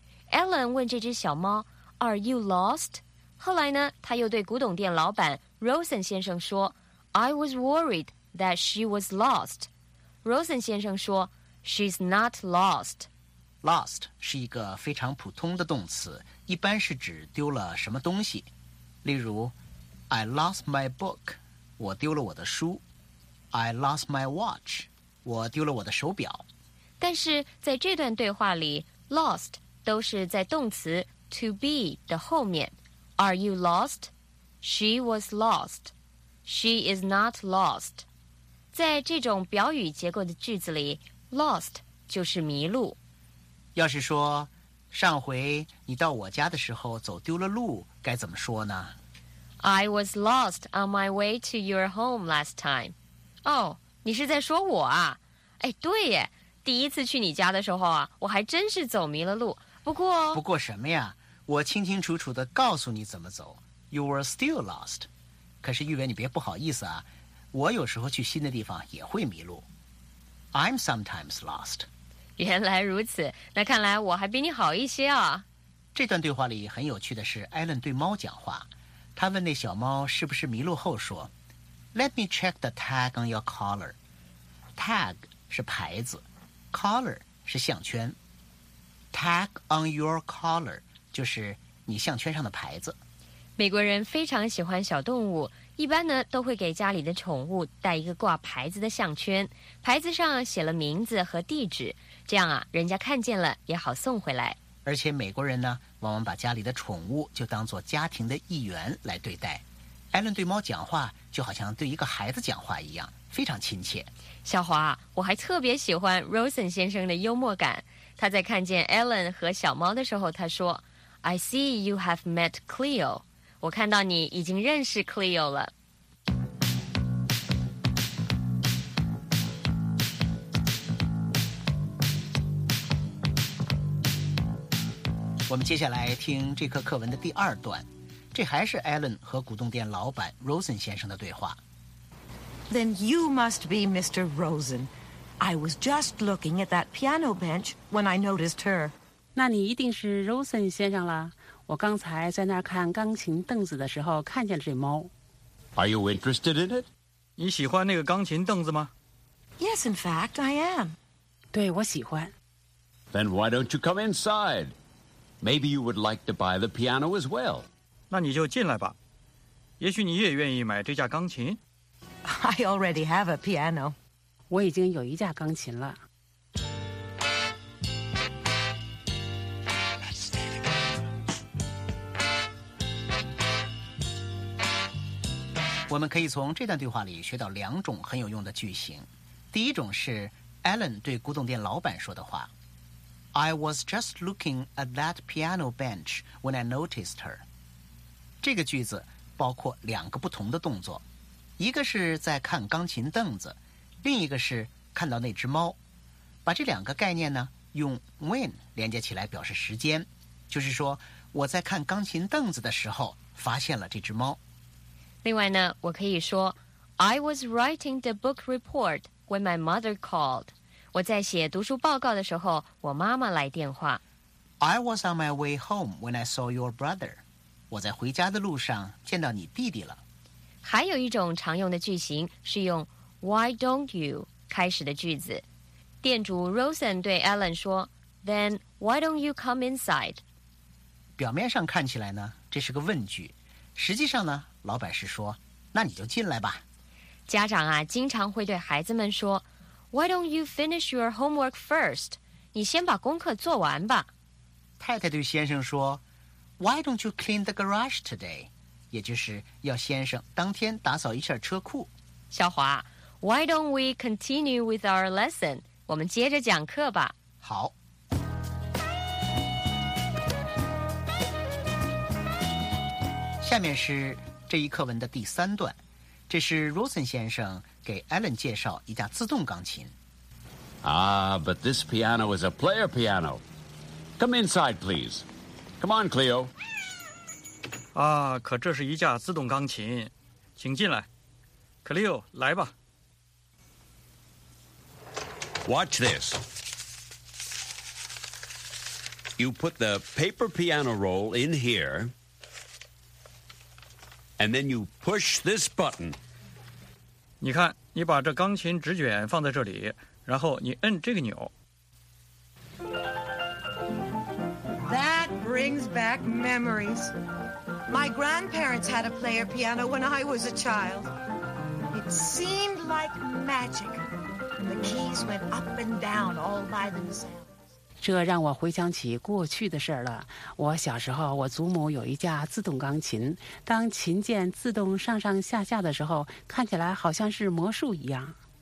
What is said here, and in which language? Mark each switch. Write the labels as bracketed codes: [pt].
[zh] Ellen 问这只小猫 , [en] Are you lost? [zh] 后来呢他又对古董店老板 Rosen 先生说 , [en] I was worried that she was lost. Rosen [zh] 先生说 [en] ,She's not lost. [zh] Lost 是一个非常普通的动词，一般是指丢了什么东西。例如 [en] ,I lost my book. [zh] 我丢了我的书 [en] ，I lost my watch。 [zh] 我丢了我的手表。但是在这段对话里 ，lost 都是在动词 to be 的后面。 [en] Are you lost? She was lost. She is not lost. [zh] 在这种表语结构的句子里 ，lost 就是迷路。要是说上回你到我家的时候走丢了路，该怎么说呢？ [en] I was lost on my way to your home last time. [zh] 哦、oh, ，你是在说我啊？哎，对耶，第一次去你家的时候啊，我还真是走迷了路。不过什么呀？我清清楚楚地告诉你怎么走。 [en] You were still lost. [zh] 可是玉伟，你别不好意思啊，我有时候去新的地方也会迷路。 [en] I'm sometimes lost. [zh] 原来如此，那看来我还比你好一些啊。这段对话里很有趣的是，艾伦对猫讲话。他问那小猫是不是迷路后说 [en] Let me check the tag on your collar. [zh] Tag 是牌子， collar 是项圈。 Tag on your collar 就是你项圈上的牌子。美国人非常喜欢小动物，一般呢都会给家里的宠物带一个挂牌子的项圈，牌子上写了名字和地址，这样啊人家看见了也好送回来。而且美国人呢往往把家里的宠物就当作家庭的一员来对待。艾伦对猫讲话就好像对一个孩子讲话一样，非常亲切。小华，我还特别喜欢 Rosen 先生的幽默感。他在看见艾伦和小猫的时候他说 [en] I see you have met Cleo. [zh] 我看到你已经认识 Cleo 了。我们接下来听这课课文的第二段，这还是 Alan 和古董店老板 Rosen 先生的对话。 [en] Then you must be Mr. Rosen. I was just looking at that piano bench when I noticed her. [zh] 那你一定是 Rosen 先生了。我刚才在那儿看钢琴凳子的时候看见了这猫。 [en] Are you interested in it? [zh] 你喜欢那个钢琴凳子吗？ [en] Yes, in fact, I am. [zh] 对，我喜欢。 [en] Then why don't you come inside? Maybe you would like to buy the piano as well. [zh] 那你就进来吧。也许你也愿意买这架钢琴。 [en] I already have a piano. [zh] 我已经有一架钢琴了。我们可以从这段对话里学到两种很有用的句型。第一种是 Alan 对古董店老板说的话。 [en] I was just looking at that piano bench when I noticed her. [zh] 这个句子包括两个不同的动作，一个是在看钢琴凳子，另一个是看到那只猫。把这两个概念呢，用 when 连接起来表示时间，就是说我在看钢琴凳子的时候发现了这只猫。另外呢，我可以说 [en] I was writing the book report when my mother called. [zh] 我在写读书报告的时候，我妈妈来电话。 [en] I was on my way home when I saw your brother. [zh] 我在回家的路上见到你弟弟了。还有一种常用的句型是用 Why don't you 开始的句子。店主 Rosen 对 Alan 说 [en] Then why don't you come inside? [zh] 表面上看起来呢，这是个问句。实际上呢，老板是说那你就进来吧。家长啊，经常会对孩子们说 [en] Why don't you finish your homework first? [zh] 你先把功课做完吧。太太对先生说 [en] Why don't you clean the garage today? [zh] 也就是要先生当天打扫一下车库。 [en] 小华 Why don't we continue with our lesson? [zh] 我们接着讲课吧。好。下面是这一课文的第三段。这是 Rosen 先生给 Alan 介绍一架自动钢琴。 [en] Ah, but this piano is a player piano. Come inside, please. Come on, Cleo. [zh] 啊，可这是一架自动钢琴，请进来。 Cleo, 来吧。 [en] Watch this. You put the paper piano roll in here, and then you push this button. [zh] 你看，你把这钢琴纸卷放在这里，然后你摁这个钮。 [en] That brings back memories. My grandparents had a player piano when I was a child. It seemed like magic. The keys went up and down all by themselves. [zh] 这让我回想起过去的事了。我小时候，我祖母有一架自动钢琴，当琴键自动上上下下的时候，看起来好像是魔术一样。